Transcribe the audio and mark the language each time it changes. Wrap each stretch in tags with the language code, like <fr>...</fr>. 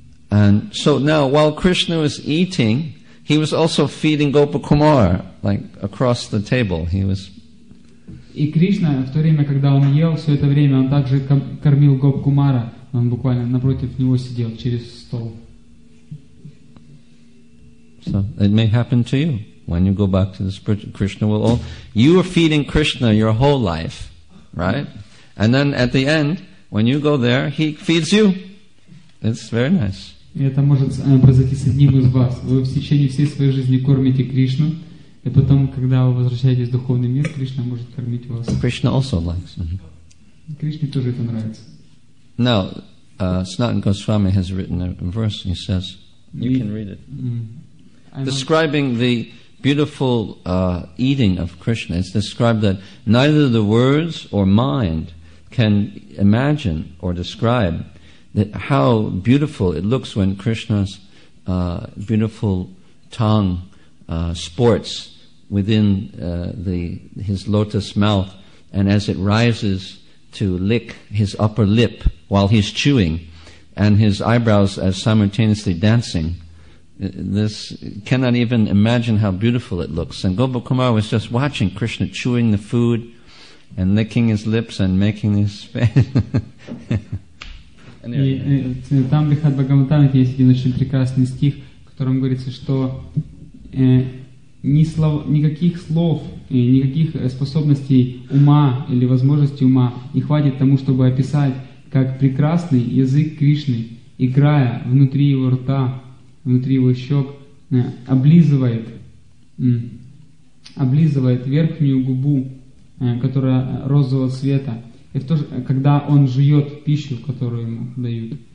<en>And so now, while Krishna was eating, he was also feeding Gopakumar, like across the table. He was.</en> <ru>И Кришна в то время, когда он ел, все это время он также кормил Гопакумара. Он буквально напротив него сидел через стол.</ru> <en>So it may happen to you. When you go back to the spirit, Krishna will all. You are feeding Krishna your whole life, right? And then at the end, when you go there, he feeds you. It's very nice.</en> <ru>Это может произойти с одним из вас. Вы в течение всей своей жизни кормите Кришну, и потом, когда вы возвращаетесь в духовный мир, Кришна может кормить вас.</ru> <en>Krishna also likes.</en> <ru>Кришне тоже это нравится.</ru> <en>Now, Snatan Goswami has written a verse. He says, "You can read it," describing the beautiful eating of Krishna. It's described that neither the words or mind can imagine or describe that how beautiful it looks when Krishna's beautiful tongue sports within his lotus mouth, and as it rises to lick his upper lip while he's chewing, and his eyebrows are simultaneously dancing. This cannot even imagine how beautiful it looks. And Gopakumar was just watching Krishna chewing the food and licking his lips and making his face.</en> <ru>И там Бихат Бхагаватам есть один очень прекрасный стих, в котором говорится, что никаких слов и никаких способностей ума или возможностей ума не хватит тому, чтобы описать, как прекрасный язык Кришны, играя внутри его рта, внутри его щек, облизывает верхнюю губу, которая розового цвета, и в то же, когда он жует пищу, которую ему дают.</ru>